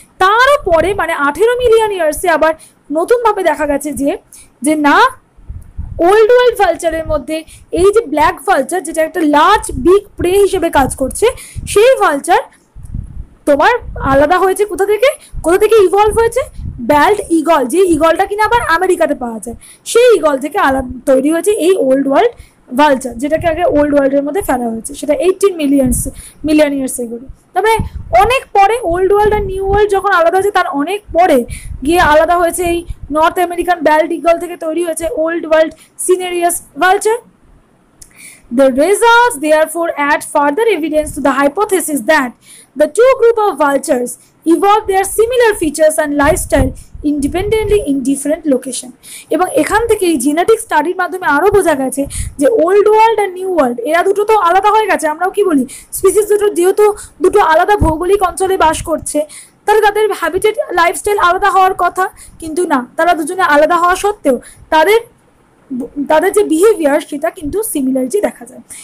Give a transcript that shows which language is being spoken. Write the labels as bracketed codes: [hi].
[bn] তারও পরে মানে 18 মিলিয়ন ইয়ার্সে আবার নতুনভাবে দেখা গেছে যে যে না, ওল্ড ওয়ার্ল্ড ভালচারের মধ্যে এই যে ব্ল্যাক ভালচার যেটা একটা লার্জ বিগ প্রে হিসেবে কাজ করছে, সেই ভালচার তোমার আলাদা হয়েছে কোথা থেকে, কোথা থেকে ইভলভ হয়েছে, বেল্ট ইগল, যে ইগলটা কিনা আবার আমেরিকাতে পাওয়া যায় সেই ইগল থেকে আলাদা তৈরি হয়েছে এই ওল্ড ওয়ার্ল্ড ভালচার, যেটাকে আগে ওল্ড ওয়ার্ল্ডের মধ্যে ফেলা হয়েছে, সেটা 18 মিলিয়ন ইয়ার্স এগুলো। তারপরে অনেক পরে ওল্ড ওয়ার্ল্ড আর নিউ ওয়ার্ল্ড যখন আলাদা হয়েছে, তার অনেক পরে গিয়ে আলাদা হয়েছে এই নর্থ আমেরিকান বেল্ট ইগল থেকে তৈরি হয়েছে old world সিনেরিয়াস vulture. [en] The results therefore add further evidence to the hypothesis that the two group of vultures evolved their similar features and lifestyle independently in different location. [bn] এবং এখান থেকে এই genetic স্টাডির মাধ্যমে আরও বোঝা গেছে যে ওল্ড ওয়ার্ল্ড আর নিউ ওয়ার্ল্ড এরা দুটো তো আলাদা হয়ে গেছে, আমরাও কী বলি স্পিসিস দুটো যেহেতু দুটো আলাদা ভৌগোলিক অঞ্চলে বাস করছে, তাহলে তাদের হ্যাবিটেট লাইফস্টাইল আলাদা হওয়ার কথা, কিন্তু না, তারা দুজনে আলাদা হওয়া সত্ত্বেও তাদের যে বিহেভিয়ার সেটা কিন্তু সিমিলারিটি দেখা যায়।